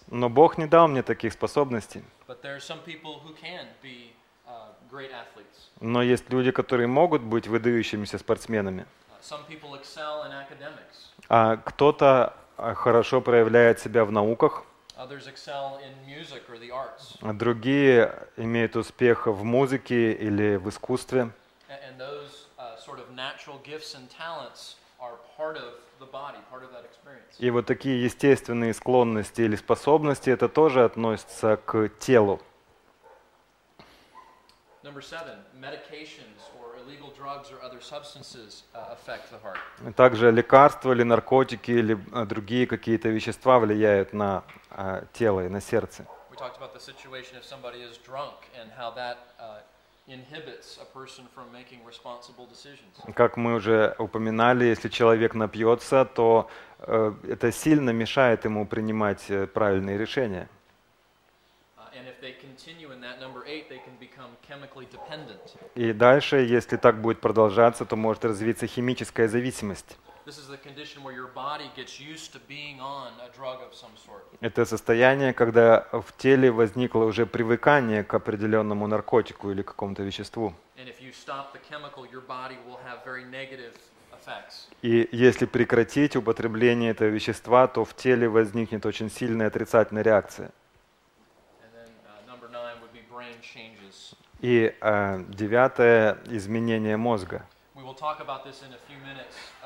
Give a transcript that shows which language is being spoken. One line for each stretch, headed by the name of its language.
Russian: Но Бог не дал мне таких способностей.
English: But there are some people who can be, great athletes.
Russian: Но есть люди, которые могут быть выдающимися спортсменами.
English: Some people excel in academics.
Russian: А кто-то хорошо проявляет себя в науках.
English: Others excel in music or the arts.
Russian: А другие имеют успех в музыке или в искусстве.
English: And those, sort of natural gifts and talents are part of the body, part of that experience.
Russian: И вот такие естественные склонности или способности, это тоже относится к телу.
English: Number seven, medications or illegal drugs or other substances affect the heart.
Russian: Также лекарства или наркотики или другие какие-то вещества влияют на тело и на сердце.
English: We talked about the situation if somebody is drunk and how that inhibits a person from making responsible decisions.
Russian: Как мы уже упоминали, если человек напьется, то это сильно мешает ему принимать правильные решения.
English: And if they continue in that number eight, they can become chemically dependent.
Russian: И дальше, если так будет продолжаться, то может развиться химическая зависимость.
English: This is the condition where your body gets used to being on a drug of some sort.
Russian: Это состояние, когда в теле возникло уже привыкание к определенному наркотику или к какому-то веществу.
English: And if you stop the chemical, your body will have very negative effects.
Russian: И если прекратить употребление этого вещества, то в теле возникнет очень сильная отрицательная реакция.
English: And then number nine would be brain changes.
Russian: И девятое – изменение мозга.
English: We will talk about this in a few minutes.